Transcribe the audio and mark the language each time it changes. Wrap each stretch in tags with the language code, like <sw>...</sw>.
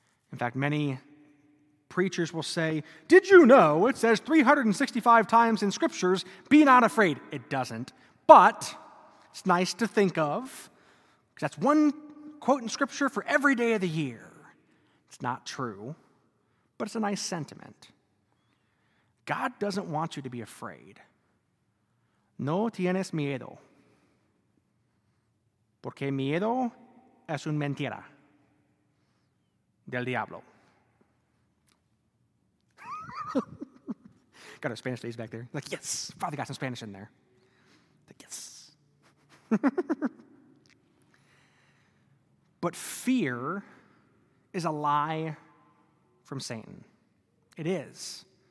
<en>In fact, many preachers will say, did you know it says 365 times in scriptures, be not afraid? It doesn't, but it's nice to think of, because that's one quote in scripture for every day of the year. It's not true, but it's a nice sentiment. God doesn't want you to be afraid.</en> <es>No tienes miedo, porque miedo es una mentira del diablo.</es> <en>Got our Spanish days back there. Like, yes, Father got some Spanish in there. Like, yes. But fear is a lie from Satan. It is.</en>